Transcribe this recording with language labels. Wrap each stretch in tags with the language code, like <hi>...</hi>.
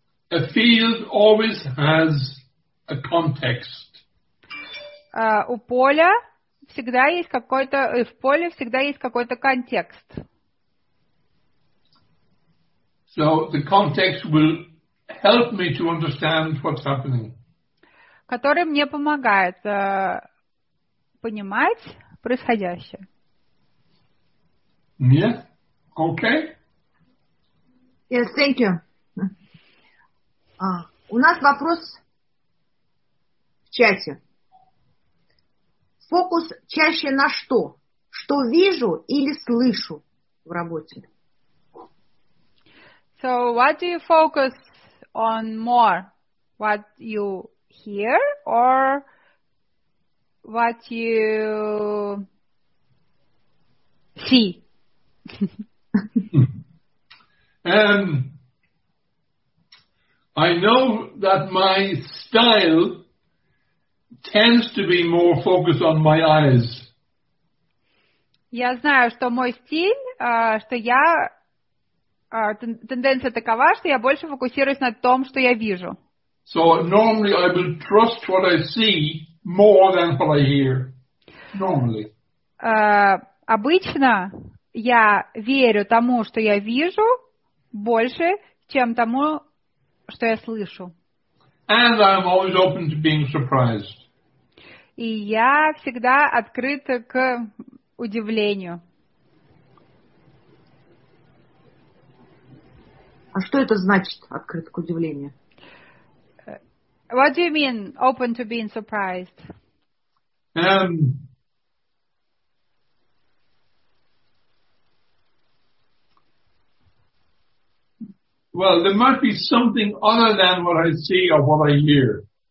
<en>A field always has a context.</en> <ru>У поля всегда есть какой-то, в поле всегда есть какой-то контекст.</ru> <en>So the context will help me to understand what's happening.</en> <ru>Который мне помогает понимать происходящее.</ru> <en>Yeah. Okay. Yes, thank you.</en> <ru>У нас вопрос в чате. Фокус чаще на что? Что вижу или слышу в работе?</ru> <en>So what do you focus on more? What you hear or what you see? I know that my style tends to be more focused on my eyes.</en> <ru>Я знаю, что мой стиль, что я тенденция такова, что я больше фокусируюсь на том, что я вижу.</ru> <en>So normally I will trust what I see more than what I hear. Normally.</en> <ru>Обычно я верю тому, что я вижу, больше, чем тому, что я слышу.</ru> <en>And I'm always open to being surprised.</en> <ru>И я всегда открыта к удивлению. А что это значит, открыт к удивлению?</ru> <en>What do you mean, open to being surprised? Well, there might be something other than what I see or what I hear.</en>